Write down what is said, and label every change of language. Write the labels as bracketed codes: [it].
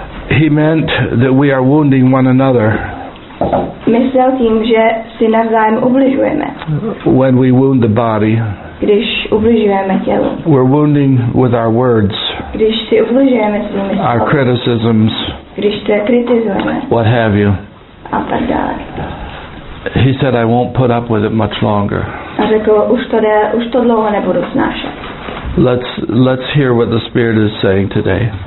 [en] He meant that we are wounding one another. [cs] Myslel tím, že si navzájem ubližujeme. [en] When we wound the body, [cs] když ubližujeme tělu. [en] We're wounding with our words. [cs] Když si ubližujeme svými slovy. [en] Our criticisms. [cs] Když se kritizujeme. [en] What have you? [cs] A tak dále. [en] He said, I won't put up with it much longer. [cs] A řekl, už to dlouho nebudu snášet. [en] Let's hear what the Spirit is saying today.